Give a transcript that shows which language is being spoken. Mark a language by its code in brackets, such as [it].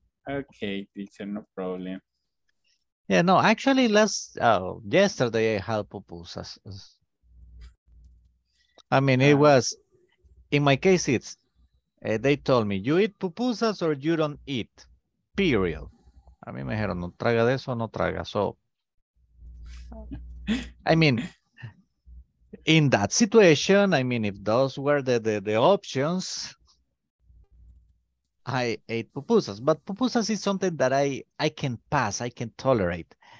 [en] Okay, teacher, no problem. Yeah, no, actually yesterday I had pupusas. I mean, it was, in my case, it's, they told me, you eat pupusas or you don't eat, period. [es] A mí me dijeron, no traga de eso, no traga. [en] So, I mean, in that situation, I mean, if those were the options, I ate pupusas. But pupusas is something that I can pass, I can tolerate.